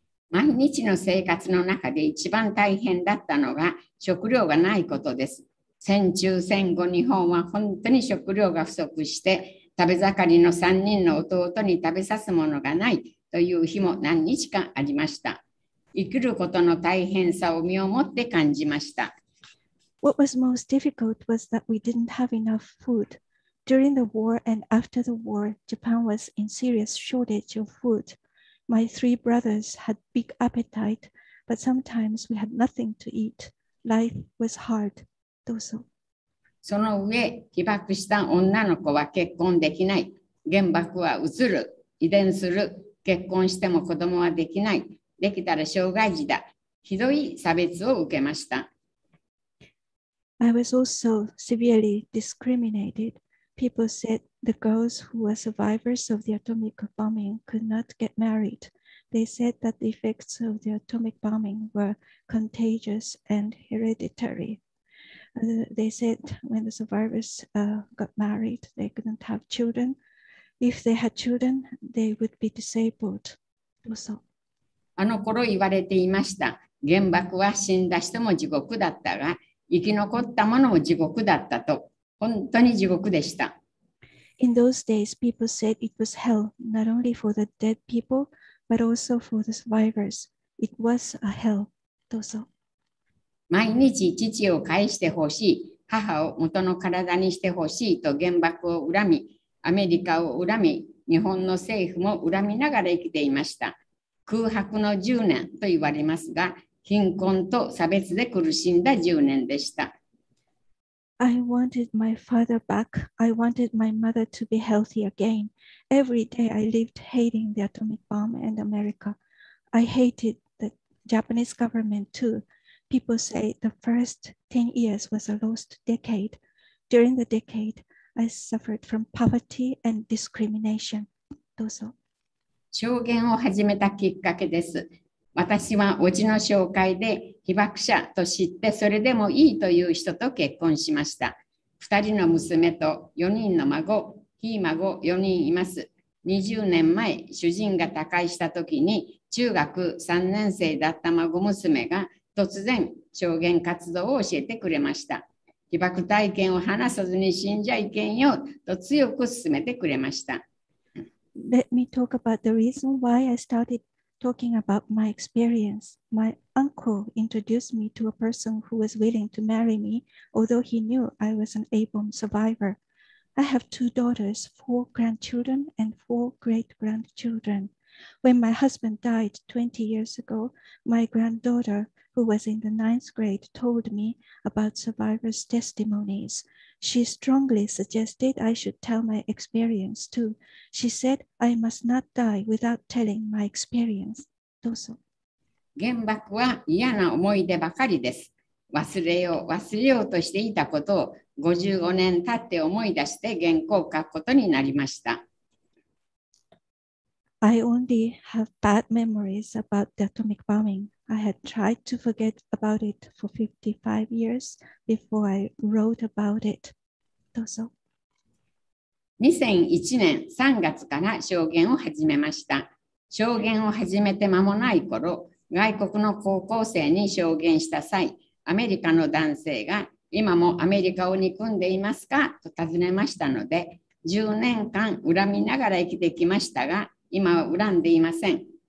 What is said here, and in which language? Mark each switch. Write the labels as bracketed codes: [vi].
[ja] 毎日の生活の中で一番大変だったのが食料がないことです。戦中戦後日本は本当に食料が不足して、食べ盛りの3人の弟に食べさすものがないという日も何日かありました。生きることの大変さを身をもって感じました。 [en] What was most difficult was that we didn't have enough food. During the war and after the war, Japan was in serious shortage of food. My 3 brothers had big appetite, but sometimes we had nothing to eat. Life was hard. [ja] どうぞ。その上、被爆した女の子は結婚できない。原爆はうつる。遺伝する。結婚しても子供はできない。できたら障害児だ。ひどい差別を受けました。 [en] I was also severely discriminated. People said the girls who were survivors of the atomic bombing could not get married. They said that the effects of the atomic bombing were contagious and hereditary. They said when the survivors got married, they couldn't have children. If they had children, they would be disabled. Also, [ja] あの頃言われていました。原爆は死んだ人も地獄だったが、生き残ったものも地獄だったと、本当に地獄でした。 [en] In those days, people said it was hell, not only for the dead people, but also for the survivors. It was a hell. [ja] どうぞ。毎日父を返してほしい、母を元の体にしてほしいと原爆を恨み、アメリカを恨み、日本の政府も恨みながら生きていました。空白の10年と言われますが、貧困と差別で苦しんだ10年でした。 [en] I wanted my father back. I wanted my mother to be healthy again. Every day I lived hating the atomic bomb and America. I hated the Japanese government too. People say the first 10 years was a lost decade. During the decade, I suffered from poverty and discrimination. [ja] どうぞ。証言を始めたきっかけです。私は叔父の紹介で被爆者と知って、それでもいいという人と結婚しました。 2人の娘と4人の孫、ひい孫4人います。 20年前、主人が他界した時に中学3年生だった孫娘が突然証言活動を教えてくれました。被爆体験を話さずに死んじゃいけんよと強く勧めてくれました。 [en] Let me talk about the reason why I started talking about my experience. My uncle introduced me to a person who was willing to marry me, although he knew I was an A-bomb survivor. I have two daughters, four grandchildren, and four great-grandchildren. When my husband died 20 years ago, my granddaughter, who was in the ninth grade, told me about survivors' testimonies. She strongly suggested I should tell my experience too. She said I must not die without telling my experience. [ja] どうぞ。原爆は嫌な思い出ばかりです。忘れようとしていたことを55年経って思い出して原稿を書くことになりました。 [en] I only have bad memories about the atomic bombing. I had tried to forget about it for 55 years before I wrote about it. [ja] どうぞ。 2001年3月から証言を始めました。証言を始めて間もない頃、外国の高校生に証言した際、アメリカの男性が今もアメリカを憎んでいますかと尋ねましたので、10年間恨みながら生きてきましたが、今は恨んでいません。